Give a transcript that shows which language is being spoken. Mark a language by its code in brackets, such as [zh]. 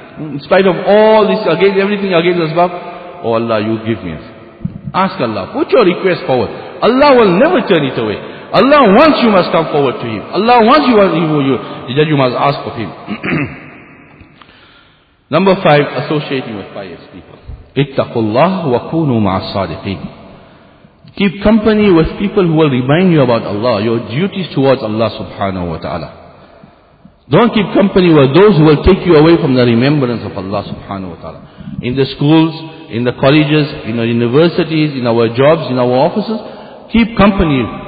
[en] In spite of all this, against everything against us, Bab, oh Allah, you give me. Ask Allah, put your request forward. Allah will never turn it away. Allah wants you must come forward to Him. Allah wants you must ask of Him. Number five, associating with pious people. [ar] اتقوا الله وكونوا مع الصادقين. [en] Keep company with people who will remind you about Allah, your duties towards Allah subhanahu wa ta'ala. Don't keep company with those who will take you away from the remembrance of Allah subhanahu wa ta'ala. In the schools, in the colleges, in our universities, in our jobs, in our offices. Keep company.